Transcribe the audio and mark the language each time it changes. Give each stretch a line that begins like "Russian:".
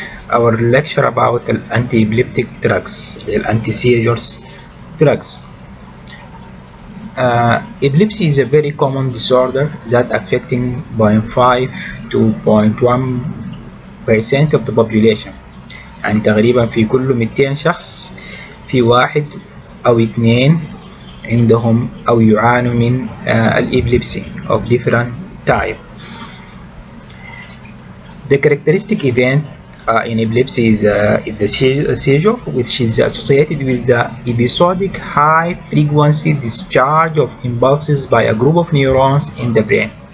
English: Our lecture about the anti-epileptic drugs, the anti-seizures drugs. Epilepsy is a very common disorder that affecting 0.5 to 0.1% of the population.
Arabic: يعني تقريبا في كل 200 شخص في واحد أو اثنين عندهم أو يعانوا من الإبليبسي
English: of different type. The characteristic event in epilepsy is the seizure, which is associated with the episodic high frequency discharge of impulses by a group of neurons in the brain.